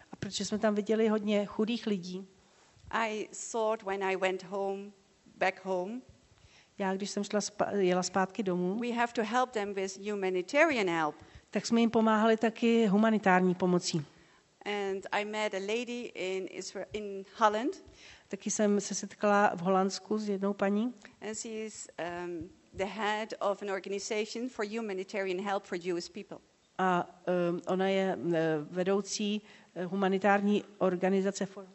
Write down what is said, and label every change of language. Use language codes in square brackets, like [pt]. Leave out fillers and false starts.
[cs] A protože jsme tam viděli hodně chudých lidí. [en] I thought when I went home, back home. [cs] Já když jsem šla jela zpátky domů. [en] We have to help them with humanitarian help. [cs] Tak jsme jim pomáhali taky humanitární pomocí. [en] And I met a lady in Israel, in Holland. [cs] Taky jsem se setkala v Holandsku s jednou paní. [en] And she is the head of an organization for humanitarian help for Jewish people. [cs] A ona je vedoucí humanitární organizace